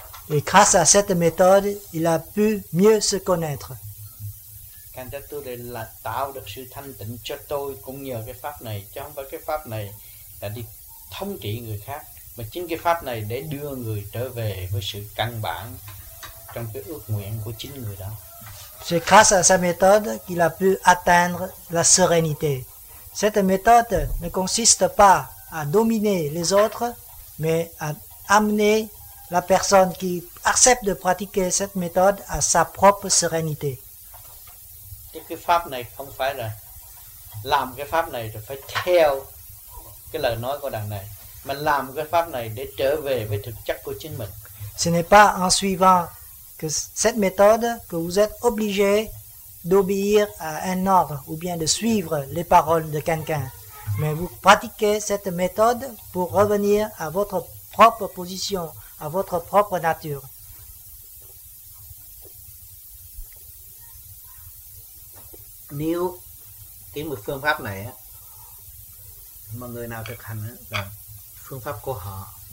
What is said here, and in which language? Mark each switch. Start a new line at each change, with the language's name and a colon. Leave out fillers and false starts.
French: Et grâce à cette méthode, il a pu mieux se connaître.
Vietnamese: Quand tôi tu là tạo được sự thanh tịnh cho tôi cũng nhờ cái pháp này, chứ không phải cái pháp này là đi thống trị người khác, mà chính cái pháp này để đưa người trở về với sự căn bản trong cái ước nguyện của chính người đó.
French: C'est grâce à sa méthode qu'il a pu atteindre la sérénité. Cette méthode ne consiste pas à dominer les autres, mais à amener la personne qui accepte de pratiquer cette méthode à sa propre sérénité.
Vietnamese: Cái pháp này không phải là làm cái pháp này rồi phải theo cái lời nói của đàn này, mà làm cái pháp này để trở về với thực chất của chính mình.
French: Ce n'est pas en suivant que cette méthode que vous êtes obligé d'obéir à un ordre ou bien de suivre les paroles de quelqu'un, mais vous pratiquez cette méthode pour revenir à votre propre position, à votre propre nature.
Vietnamese: Nếu cái một phương pháp này á, mà người nào thực hành á, là phương pháp của họ.